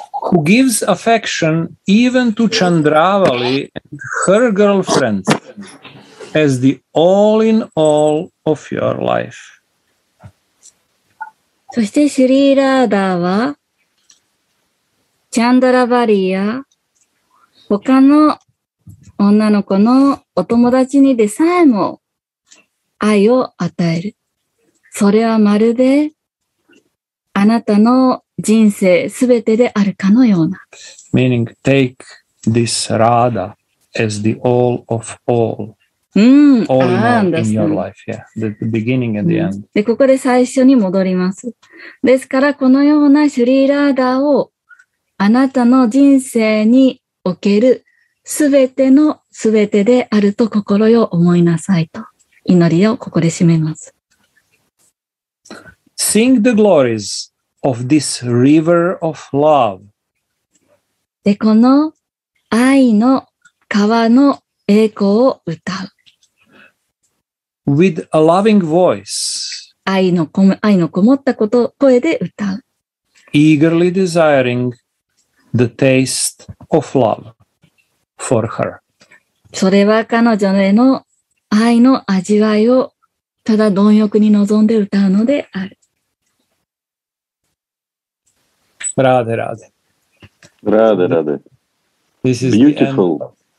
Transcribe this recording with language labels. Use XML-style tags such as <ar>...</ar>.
<en>Who gives affection even to Chandravali and her girlfriends as the all in all of your life?</en> <ja>そしてシュリーラーダーはチャンドラバリーや他の女の子のお友達にでさえも愛を与える。それはまるであなたの人生すべてであるかのような。</ja> <en>Meaning, take this Radha as the all of all. All in all in your life. Yeah, the beginning and the end.</en> <ja>で、ここで最初に戻ります。ですから、このようなシュリーラーダをあなたの人生におけるすべてのすべてであると心よ思いなさいと祈りをここで締めます。</ja> <en>Sing the glories of this river of love.</en> <ja>で、この愛の川の栄光を歌う。</ja> <en>With a loving voice.</en> <ja>愛のこもったこと、声で歌う。</ja> <en>Eagerly desiring the taste of love for her.</en> <ja>それは彼女への愛の味わいをただ貪欲に望んで歌うのである。</ja> <en>Radhe, Radhe. Radhe, Radhe. This is beautiful.</en>